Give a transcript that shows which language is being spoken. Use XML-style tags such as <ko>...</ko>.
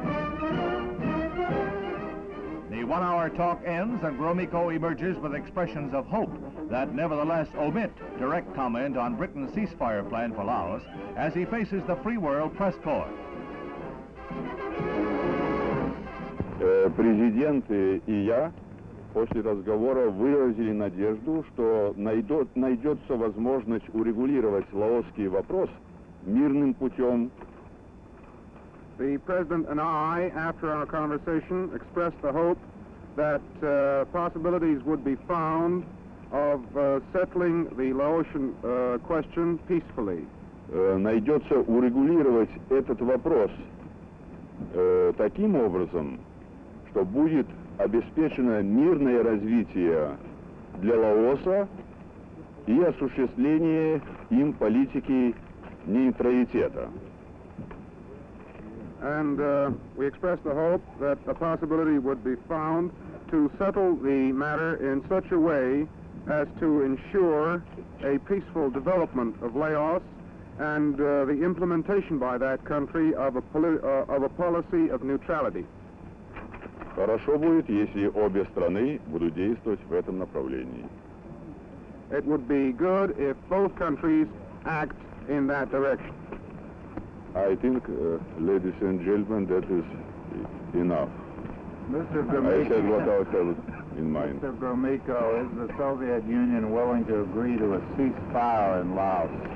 <en>The one-hour talk ends and Gromyko emerges with expressions of hope that nevertheless omit direct comment on Britain's ceasefire plan for Laos as he faces the Free World Press Corps. President and I,</en> <ru>после разговора, выразили надежду, что найдется возможность урегулировать лаосский вопрос мирным путем.</ru> <en>The President and I, after our conversation, expressed the hope that possibilities would be found of settling the Laotian question peacefully.</en> <ru>Найдется урегулировать этот вопрос таким образом, что будет обеспечено мирное развитие для Лаоса и осуществление им политики нейтралитета.</ru> <en>And we expressed the hope that a possibility would be found to settle the matter in such a way as to ensure a peaceful development of Laos and the implementation by that country of a policy of neutrality.</en> <ru>Хорошо будет, если обе страны будут действовать в этом направлении.</ru> <en>It would be good if both countries act in that direction. I think, ladies and gentlemen, that is enough. Mr. Gromyko, I said what I have in mind. Mr. Gromyko, is the Soviet Union willing to agree to a ceasefire in Laos?</en>